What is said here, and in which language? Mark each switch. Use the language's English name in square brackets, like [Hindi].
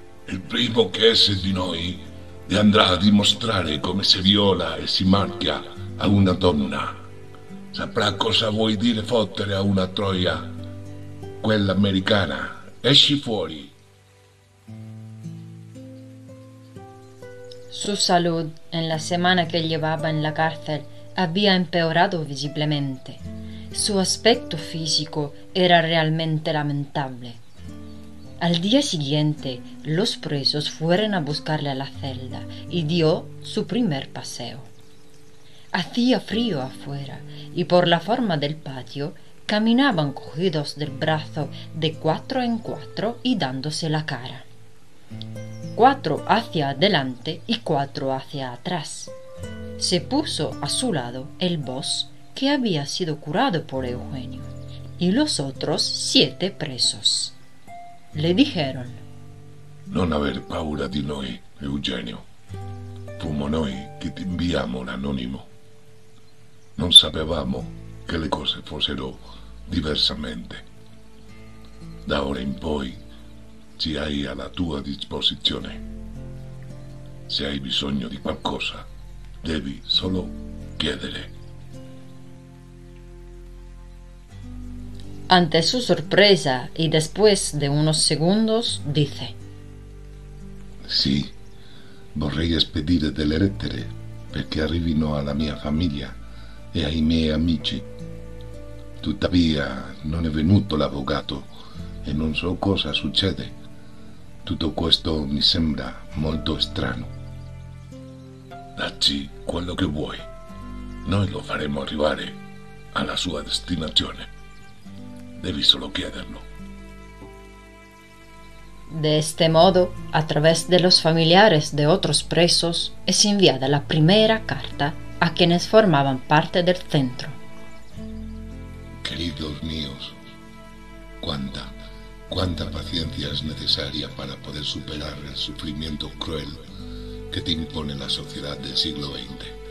[Italian] Il primo che esce di noi le andrà a dimostrare come si viola e si marchia a una donna. Saprà cosa vuoi dire fottere a una troia, quella americana. Esci fuori. [Spanish] Su salud, en la semana que llevaba en la cárcel, había empeorado visiblemente. Su aspecto físico era realmente lamentable. Al día siguiente, los presos fueron a buscarle a la celda y dio su primer paseo. Hacía frío afuera y por la forma del patio caminaban cogidos del brazo de cuatro en cuatro y dándose la cara. Cuatro hacia adelante y cuatro hacia atrás. Se puso a su lado el boss que había sido curado por Eugenio y los otros siete presos. Le dijeron: [Italian] Non aver paura di noi, Eugenio. Fumo noi che ti inviamo l'anonimo. Non sapevamo che le cose fossero diversamente. Da ora in poi ci hai alla tua disposizione. Se hai bisogno di qualcosa, devi solo chiedere. [Spanish] Ante su sorpresa y después de unos segundos, dice: [Italian] Sí, vorrei spedire delle lettere perché arrivino alla mia famiglia e ai miei amici. Tuttavia, non è venuto l'avvocato e non so cosa succede. Tutto questo mi sembra molto strano. Dacci quello che vuoi. Noi lo faremo arrivare alla sua destinazione. [Spanish] Debí solo quedarlo. De este modo, a través de los familiares de otros presos, es enviada la primera carta a quienes formaban parte del centro. Queridos míos, cuánta paciencia es necesaria para poder superar el sufrimiento cruel que te impone la sociedad del siglo XX.